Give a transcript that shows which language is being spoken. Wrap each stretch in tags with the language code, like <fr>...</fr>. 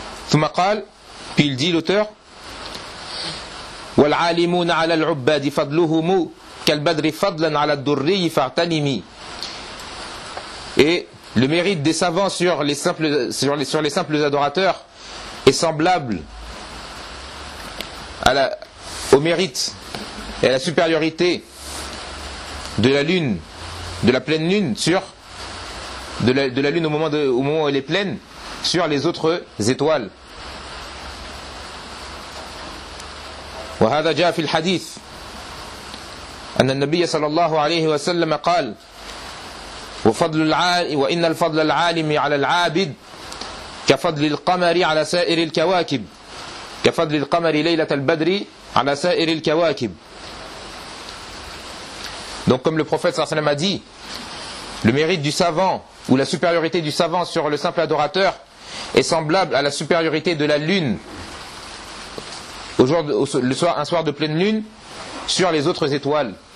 <ar>ثم قال في الديل تر والعالمون على العباد فضلهم كالبدر فضلا على الدري فاغتنمي.</ar> <fr>Et le mérite des savants sur les simples adorateurs est semblable au mérite et à la supériorité de la lune, de la pleine lune sur la lune au moment où elle est pleine sur les autres étoiles.</fr> <ar>وهذا جاء في الحديث أن النبي صلى الله عليه وسلم قال وفضل وإن الفضل العالم على العابد كفضل القمر على سائر الكواكب كفضل القمر ليلة البدر على سائر الكواكب.</ar> <fr>Donc comme le prophète صلى الله عليه وسلم a dit, le mérite du savant ou la supériorité du savant sur le simple adorateur est semblable à la supériorité de la lune un soir de pleine lune sur les autres étoiles.</fr>